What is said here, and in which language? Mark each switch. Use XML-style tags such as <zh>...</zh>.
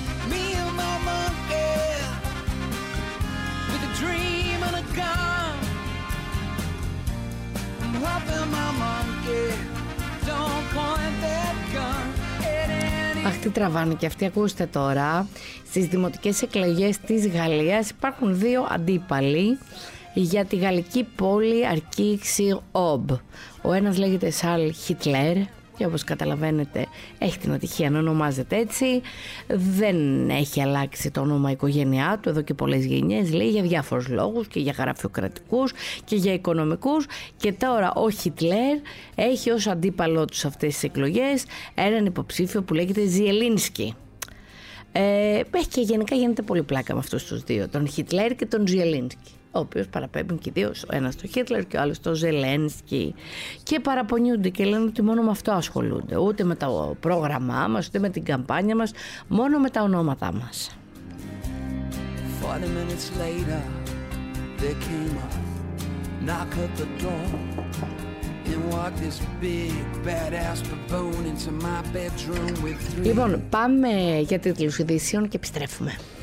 <en>Me and my monkey, with a dream and a gun. I'm hoping my monkey don't point that gun.</en> <el>Αχ, τι τραβάνε και αυτοί, ακούστε τώρα. Στις δημοτικές εκλογές της Γαλλίας υπάρχουν δύο αντίπαλοι για τη γαλλική πόλη Αρκίξη Ομπ. Ο ένας λέγεται Σαρλ Χίτλερ και όπως καταλαβαίνετε έχει την ατυχία να ονομάζεται έτσι. Δεν έχει αλλάξει το όνομα οικογένειά του εδώ και πολλές γενιές, λέει, για διάφορους λόγους και για γραφειοκρατικούς και για οικονομικούς. Και τώρα ο Χίτλερ έχει ως αντίπαλό του σε αυτές τις εκλογές έναν υποψήφιο που λέγεται Ζιελίνσκι. Έχει και γενικά γίνεται πολύ πλάκα με αυτούς τους δύο, τον Χίτλερ και τον Ζιελίνσκι, ο οποίος παραπέμπουν και δύο, ο ένας στο Χίτλερ και ο άλλος στο Ζελένσκι, και παραπονιούνται και λένε ότι μόνο με αυτό ασχολούνται, ούτε με το πρόγραμμά μας, ούτε με την καμπάνια μας, μόνο με τα ονόματά μας.</el> <en>40 minutes later, there came a knock at the door, and walked this big badass baboon into my bedroom with three.</en> <el>Λοιπόν, πάμε για τίτλους ειδήσεων και επιστρέφουμε.</el>